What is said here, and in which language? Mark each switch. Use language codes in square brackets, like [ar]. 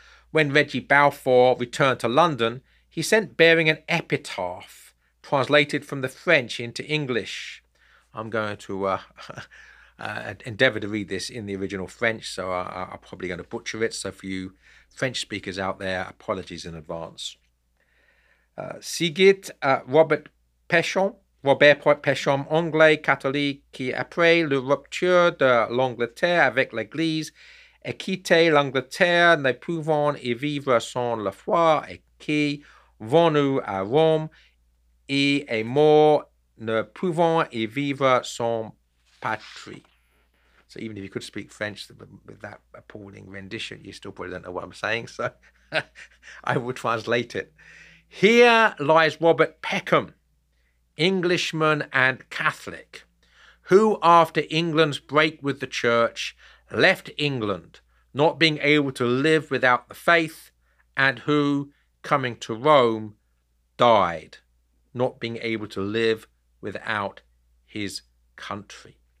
[en] When Reggie Balfour returned to London, he sent Baring an epitaph translated from the French into English. I'm going to endeavour to read this in the original French, so I'm probably going to butcher it. So for you French speakers out there, apologies in advance. [fr] Sigit Robert Pechon, Robert Pechon, Anglais catholique, qui après la rupture de l'Angleterre avec l'Église, a quitté l'Angleterre, ne pouvant y vivre sans la foi, et qui venu à Rome, et est mort, ne pouvant y vivre sans patrie. [en] So even if you could speak French with that appalling rendition, you still probably don't know what I'm saying, so I will translate it. "Here lies Robert Peckham, Englishman and Catholic, who after England's break with the church, left England, not being able to live without the faith, and who, coming to Rome, died, not being able to live without his country."